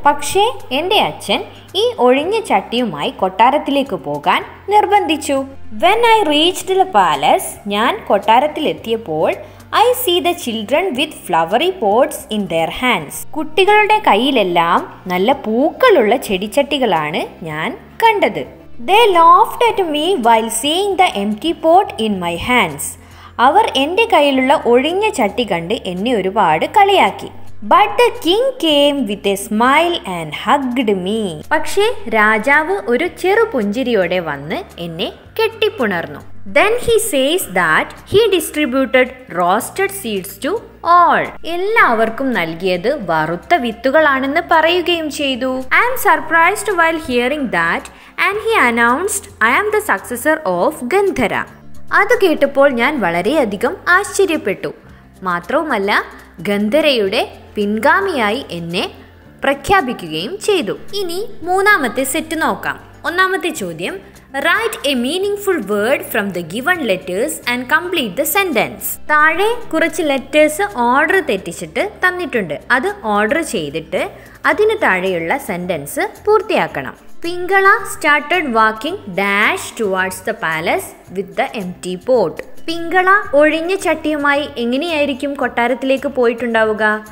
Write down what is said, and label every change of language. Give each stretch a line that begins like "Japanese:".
Malayalam: പക്ഷേ എന്റെ അച്ഛൻ ഈ ഒഴിഞ്ഞ ചട്ടിയുമായി കൊട്ടാരത്തിലേക്ക് പോകാൻ നിർബന്ധിച്ചു.
English: when I reached the palace
Malayalam: ഞാൻ കൊട്ടാരത്തിൽ എത്തിയപ്പോൾ
English: I see the children with flowery pots in their hands
Malayalam: കുട്ടികളുടെ കയ്യിലെല്ലാം നല്ല പൂക്കളുള്ള ചെടിച്ചട്ടികളാണ് ഞാൻ കണ്ടത്.
English: They laughed at me while seeing the empty pot in my hands.
Malayalam: അവർ എൻ്റെ കയ്യിലുള്ള ഒഴിഞ്ഞ ചട്ടി കണ്ട് എന്നെ ഒരുപാട് കളിയാക്കി.
English: But the king came with a smile and hugged me.
Malayalam: പക്ഷേ രാജാവ് ഒരു ചെറു പുഞ്ചിരിയോടെ വന്ന് എന്നെ കെട്ടിപ്പുണർന്നു.
English: Then he says that he distributed roasted seeds to all.
Malayalam: എല്ലാവർക്കും നൽകിയത് വറുത്ത വിത്തുകളാണെന്ന് പറയുകയും ചെയ്തു.
English: I am surprised while hearing that and he announced I am the successor of Gandhara.
Malayalam: അത് കേട്ടപ്പോൾ ഞാൻ വളരെയധികം ആശ്ചര്യപ്പെട്ടു. മാത്രവുമല്ല ഗന്ധരയുടെ പിൻഗാമിയായി എന്നെ പ്രഖ്യാപിക്കുകയും ചെയ്തു. ഇനി മൂന്നാമത്തെ സെറ്റ് നോക്കാം. ഒന്നാമത്തെ ചോദ്യം:
English: Write a meaningful word from the given letters and complete the sentence.
Malayalam: താഴെ കുറച്ച് ലെറ്റേഴ്സ് ഓർഡർ തെറ്റിച്ചിട്ട് തന്നിട്ടുണ്ട്. അത് ഓർഡർ ചെയ്തിട്ട് അതിനു താഴെയുള്ള സെന്റൻസ് പൂർത്തിയാക്കണം.
English: Pingala started walking dash towards the palace with the empty pot.
Malayalam: പിങ്കള ഒഴിഞ്ഞ ചട്ടിയുമായി എങ്ങനെയായിരിക്കും കൊട്ടാരത്തിലേക്ക് പോയിട്ടുണ്ടാവുക?